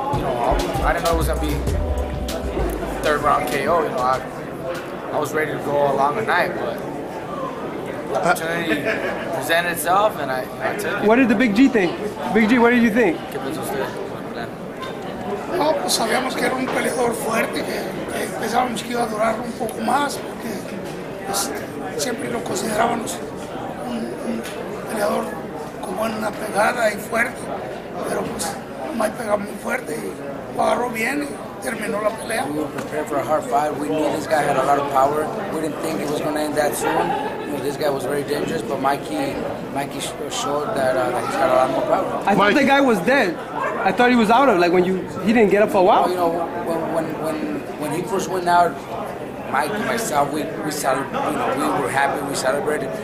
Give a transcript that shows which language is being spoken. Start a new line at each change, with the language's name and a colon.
English: You know, I didn't know it was gonna be third round KO. You know, I was ready to go a longer night, but opportunity presented itself, and I took it. What did the Big G think? Big G, what did you think?
Spanish: ¿Qué pensó usted? No, pues sabíamos que era un peleador fuerte, que pensábamos que iba a durar un poco más, porque pues, siempre lo considerábamos un peleador con buena pegada y fuerte, pero pues Mike pegaba muy fuerte y agarró bien y terminó la pelea.
English: We were prepared for a hard fight. We knew this guy had a lot of power. We didn't think it was going to end that soon. This guy was very dangerous, but Mikey showed that he's got a lot more power. I thought the guy was dead. I thought he was out of, like, when he didn't get up for a while. You know, when he first went out, Mike, myself, we celebrated, you know, we were happy, we celebrated.